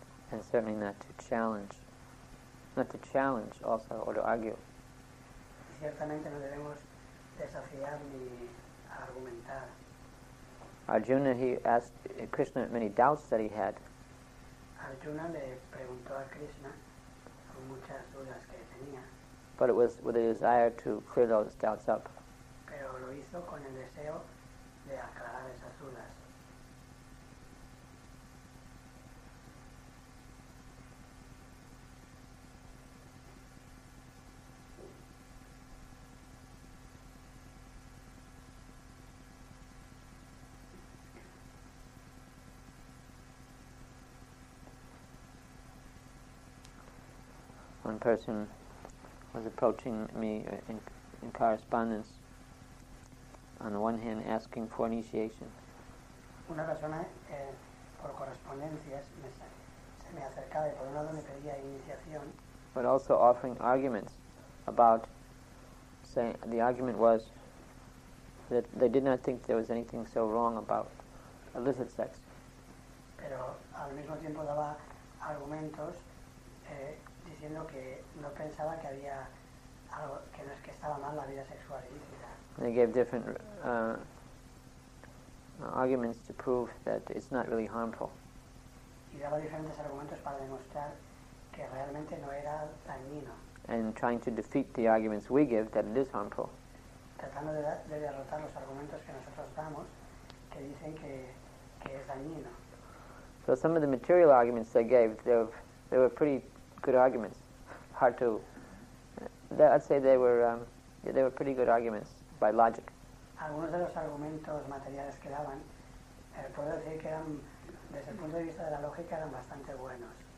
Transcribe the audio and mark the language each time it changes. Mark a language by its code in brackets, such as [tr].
[en] And certainly not to challenge, also, or to argue. [es] Ciertamente no debemos desafiar ni argumentar. [en] Arjuna, he asked Krishna many doubts that he had. [es] Arjuna le preguntó a Krishna con muchas dudas que tenía. [en] But it was with a desire to clear those doubts up. [es] Pero lo hizo con el deseo de aclarar esas dudas. [en] One person was approaching me in correspondence, on the one hand asking for initiation. [es] Una persona por correspondencias se me acercaba y por un lado me pedía iniciación. [en] But also offering arguments about, saying, the argument was that they did not think there was anything so wrong about illicit sex. [es] Pero al mismo tiempo daba argumentos diciendo que no pensaba que había algo, que no es que estaba mal la vida sexual ilícita. [en] They gave different arguments to prove that it's not really harmful. [es] Y daba diferentes argumentos para demostrar que realmente no era dañino. [en] And trying to defeat the arguments we give that it is harmful. [es] Tratando de derrotar los argumentos que nosotros damos que dicen que es dañino. [en] So some of the material arguments they gave, they were pretty good arguments, hard to. I'd say they were pretty good arguments by logic. [es] Algunos de los argumentos materiales que daban, puedo decir que eran, desde el punto de vista de la lógica, eran bastante buenos.